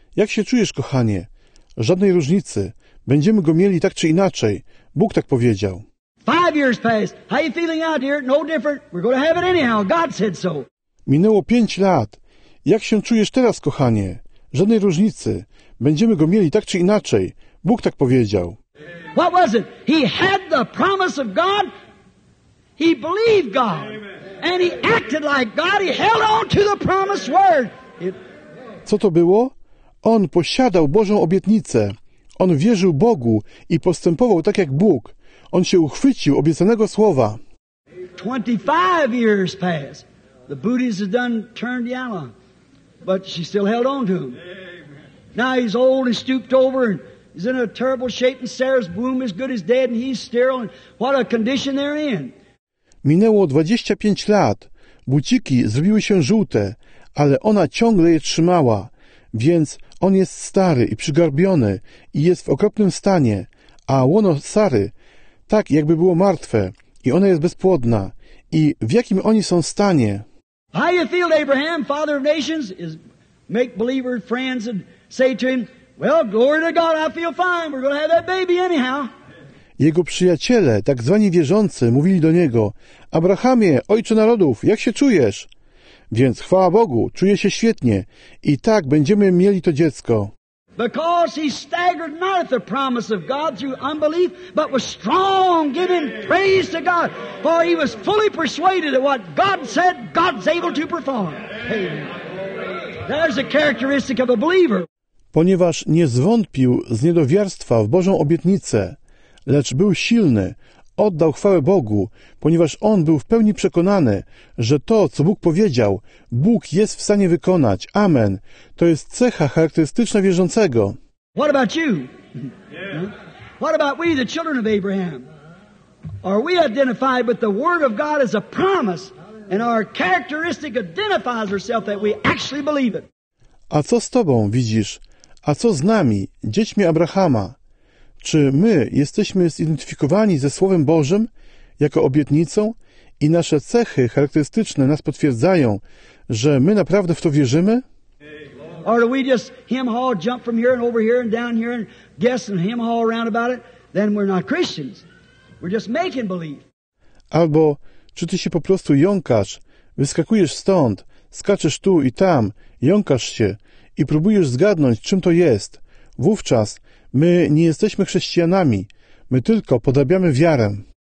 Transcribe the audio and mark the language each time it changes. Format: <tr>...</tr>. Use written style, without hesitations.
<pl>Jak się czujesz, kochanie? Żadnej różnicy. Będziemy go mieli tak czy inaczej. Bóg tak powiedział.</pl> <en>5 years passed. How you feeling out here? No different. We're going to have it anyhow. God said so.</en> <pl>Minęło 5 lat. Jak się czujesz teraz, kochanie? Żadnej różnicy. Będziemy go mieli tak czy inaczej. Bóg tak powiedział.</pl> <en>What was it? He had the promise of God. He believed God. And he acted like God. He held on to the promised word.</en> <pl>Co to było? On posiadał Bożą obietnicę. On wierzył Bogu i postępował tak jak Bóg. On się uchwycił obiecanego słowa.</pl> <en>25 years passed. The booties had done turned yellow. But she still held on to him. Now he's old and stooped over and he's in a terrible shape and Sarah's womb is good as dead and he's sterile and what a condition they're in.</en> <pl>Minęło 25 lat. Buciki zrobiły się żółte, ale ona ciągle je trzymała. Więc on jest stary i przygarbiony i jest w okropnym stanie, a łono Sary tak jakby było martwe i ona jest bezpłodna. I w jakim oni są stanie?</pl> <en>How you feel, Abraham, father of nations, is make believer friends and say to him, well, glory to God, I feel fine, we're going to have that baby anyhow.</en> <pl>Jego przyjaciele, tak zwani wierzący, mówili do niego, Abrahamie, ojcze narodów, jak się czujesz? Więc chwała Bogu, czuję się świetnie i tak będziemy mieli to dziecko.</pl> <en>Because he staggered not at the promise of God through unbelief, but was strong, giving praise to God. For he was fully persuaded that what God said, God's able to perform. There's a characteristic of a believer.</en> <pl>Ponieważ nie zwątpił z niedowiarstwa w Bożą obietnicę, lecz był silny, oddał chwałę Bogu, ponieważ on był w pełni przekonany, że to, co Bóg powiedział, Bóg jest w stanie wykonać. Amen. To jest cecha charakterystyczna wierzącego.</pl> <en>What about you? What about we, the children of Abraham? Are we identified with the word of God as a promise and our characteristic identifies ourselves that we actually believe it?</en> <pl>A co z tobą, widzisz? A co z nami, dziećmi Abrahama? Czy my jesteśmy zidentyfikowani ze Słowem Bożym jako obietnicą i nasze cechy charakterystyczne nas potwierdzają, że my naprawdę w to wierzymy?</pl> <en>Or do we just hem-haw, jump from here and over here and down here and guess and hem-haw around about it? Then we're not Christians. We're just making believe.</en> <pl>Albo czy ty się po prostu jąkasz, wyskakujesz stąd, skaczesz tu i tam, jąkasz się i próbujesz zgadnąć, czym to jest. Wówczas my nie jesteśmy chrześcijanami. My tylko podrabiamy wiarę.</pl>